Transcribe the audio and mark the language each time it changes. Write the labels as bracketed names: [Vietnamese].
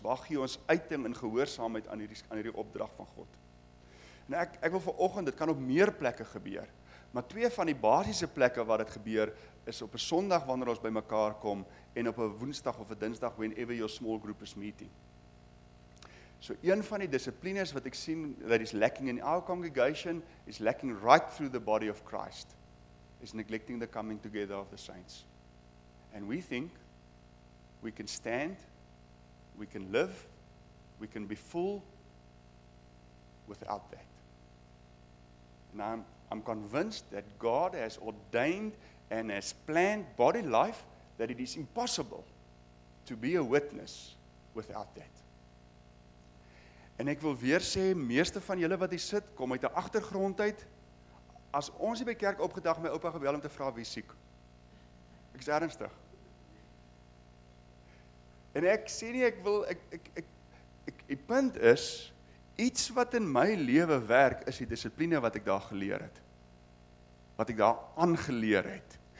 [Afrikaans] Waar gee ons uiting in gehoorsaamheid aan hierdie opdrag van God? En ek wil vanoggend, dit kan op meer plekke gebeur, maar twee van die basiese plekke waar dit gebeur is op 'n Sondag wanneer ons by mekaar kom en op 'n Woensdag of 'n Dinsdag [English] whenever your small group is meeting. [Afrikaans] So een van die dissiplines wat ek sien [English] that is lacking in our congregation is lacking right through the body of Christ is neglecting the coming together of the saints. And we think we can stand, we can live, we can be full without that. And I'm convinced that God has ordained and has planned body life that it is impossible to be a witness without that. [Afrikaans] En ek wil weer sê, meeste van julle wat hier sit, kom uit 'n agtergrond uit. As ons hier by kerk opgedag, my oupa gebel om te vra wie siek. Ek is ernstig. En ek sê nie, die punt is, iets wat in my lewe werk, is die dissipline wat ek daar geleer het. Wat ek daar aangeleer het.